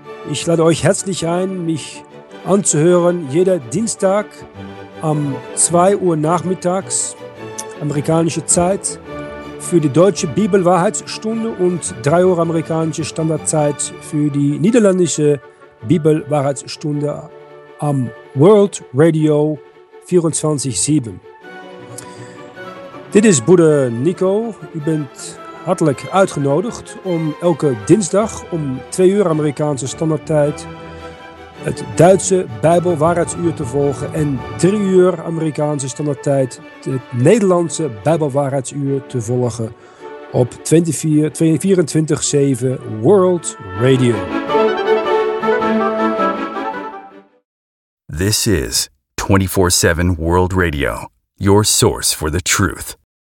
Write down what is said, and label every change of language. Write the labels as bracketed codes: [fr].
[de] Ich lade euch herzlich ein, mich anzuhören jeder Dienstag um 2 Uhr nachmittags, amerikanische Zeit, für die deutsche Bibelwahrheitsstunde und 3 Uhr amerikanische Standardzeit für die niederländische Bibelwahrheitsstunde am World Radio 24/7. [nl] Dit is Bruder Nico. U bent hartelijk uitgenodigd om elke dinsdag om 2 uur amerikaanse standaardtijd het Duitse Bijbelwaarheidsuur te volgen en 3 uur Amerikaanse standaardtijd het Nederlandse Bijbelwaarheidsuur te volgen op 24/7 World Radio. [en] This is 24/7 World Radio, your source for the truth.